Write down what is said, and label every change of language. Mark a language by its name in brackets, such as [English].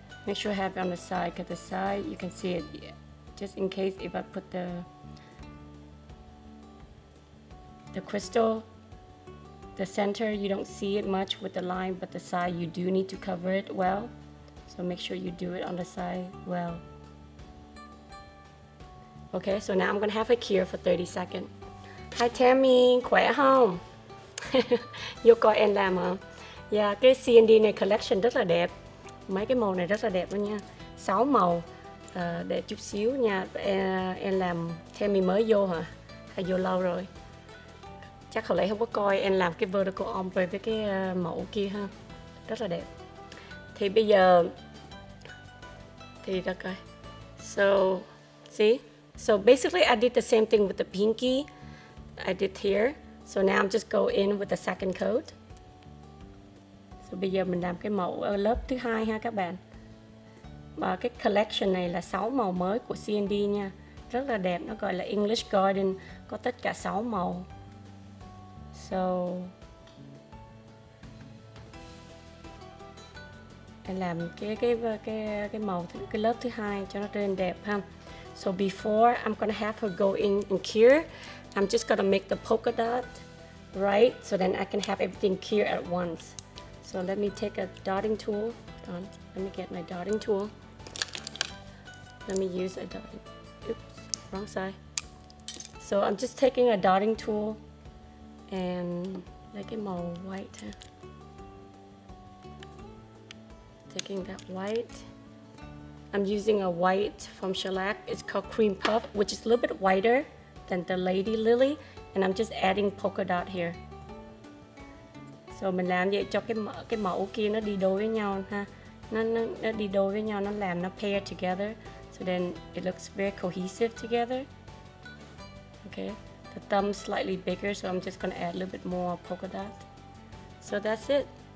[English] Make sure I have it on the side, because the side, you can see it. Yeah. Just in case if I put the crystal, the center, you don't see it much with the line, but the side, you do need to cover it well. So make sure you do it on the side well. Okay, so now I'm gonna have a cure for 30 seconds. Hi Tammy, [Vietnamese] khỏe không? Vô coi em làm hả? Yeah, cái CND này collection rất là đẹp. Mấy cái màu này rất là đẹp đó nha. 6 màu, để chút xíu nha. Em làm Tammy mới vô hả? Hay vô lâu rồi? Chắc hồi lấy không có coi em làm cái vertical ombre với cái mẫu kia ha. Rất là đẹp. Thì bây giờ, thì được rồi. [English] So, see? So basically I did the same thing with the pinky I did here. So now I'm just go in with the second coat. [Vietnamese] So bây giờ mình làm cái mẫu ở lớp thứ hai ha các bạn. Và cái collection này là 6 màu mới của CND nha. Rất là đẹp, nó gọi là English Garden, có tất cả 6 màu. So em làm cái màu cái lớp thứ hai cho nó lên đẹp ha. [English] So before I'm gonna have her go in and cure, I'm just gonna make the polka dot right, so then I can have everything cure at once. So let me take a dotting tool. Hold on, let me get my dotting tool. Let me use a dotting. Oops, wrong side. So I'm just taking a dotting tool and like it more white. Huh? Taking that white. I'm using a white from Shellac. It's called Cream Puff, which is a little bit whiter than the Lady Lily. And I'm just adding polka dot here. [Vietnamese] So mình làm vậy cho cái mẫu kia nó đi đôi với nhau ha. Nó đi đôi với nhau, nó làm nó [English] pair together. So then it looks very cohesive together. Okay, the thumb slightly bigger, so I'm just gonna add a little bit more polka dot. So that's it.